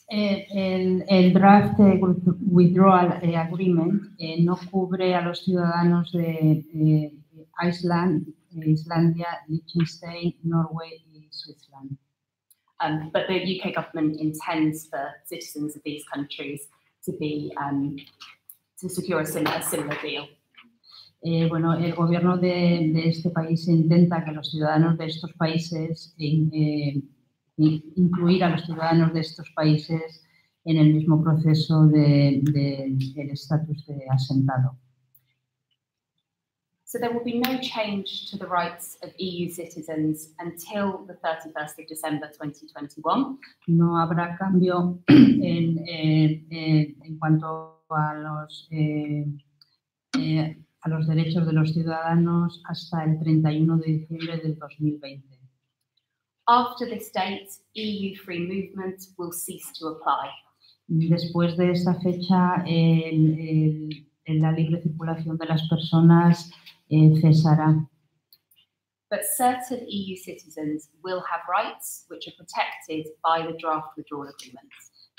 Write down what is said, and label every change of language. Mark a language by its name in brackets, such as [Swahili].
[Spanish] El draft withdrawal agreement no cubre a los ciudadanos de Iceland, Islandia, Liechtenstein, Norway, y Switzerland. [English] But the UK government intends for citizens of these countries to be to secure a similar deal. [Spanish] Bueno, el gobierno de este país intenta que los ciudadanos de estos países, incluir a los ciudadanos de estos países en el mismo proceso del estatus de asentado. [English] So there will be no change to the rights of EU citizens until the 31st of December 2021. [Spanish] No habrá cambio en cuanto a los... a los derechos de los ciudadanos hasta el 31 de diciembre del 2020. [English] After this date, EU free movement will cease to apply. [Spanish] Después de esta fecha, el la libre circulación de las personas cesará. [English] But certain EU citizens will have rights which are protected by the draft withdrawal agreements.